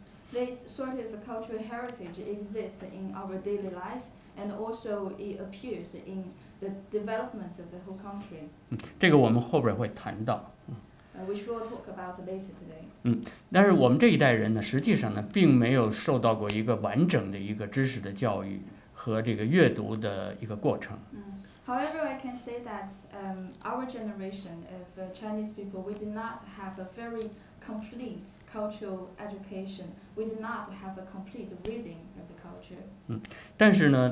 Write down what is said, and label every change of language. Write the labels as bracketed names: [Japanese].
[English] This sort of cultural heritage exists in our daily life. And also, it appears in the development of the whole country. [Chinese] 这个我们后边会谈到。 [English] Which we'll talk about later today. [Chinese] 但是我们这一代人呢，实际上呢，并没有受到过一个完整的一个知识的教育和这个阅读的一个过程。 [English] However, I can say that our generation of Chinese people, we did not have a very complete cultural education. We did not have a complete reading of the culture.